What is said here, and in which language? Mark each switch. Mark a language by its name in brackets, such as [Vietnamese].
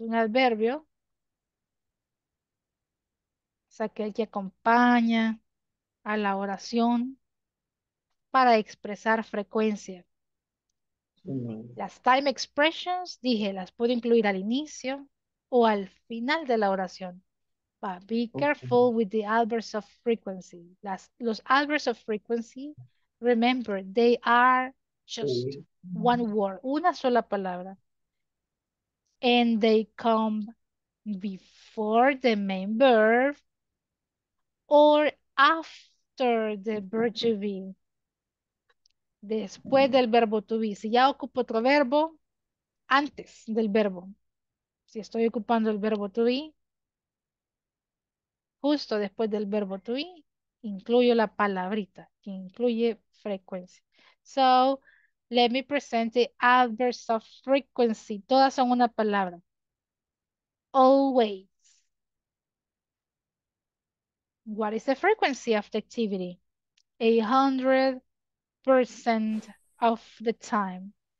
[Spanish] Un adverbio es aquel que acompaña a la oración para expresar frecuencia. Las time expressions, dije, las puedo incluir al inicio o al final de la oración. [English] But be careful with the adverbs of frequency. Los adverbs of frequency, remember, they are just one word, [Spanish] una sola palabra. [English] And they come before the main verb or after the verb to be. [Spanish] Después del verbo to be. Si ya ocupo otro verbo, antes del verbo. Si estoy ocupando el verbo to be, justo después del verbo to be, incluyo la palabrita, que incluye frequency. [English] So, let me present the adverbs of frequency. [Spanish] Todas son una palabra. [English] Always. What is the frequency of the activity? 100% of the time.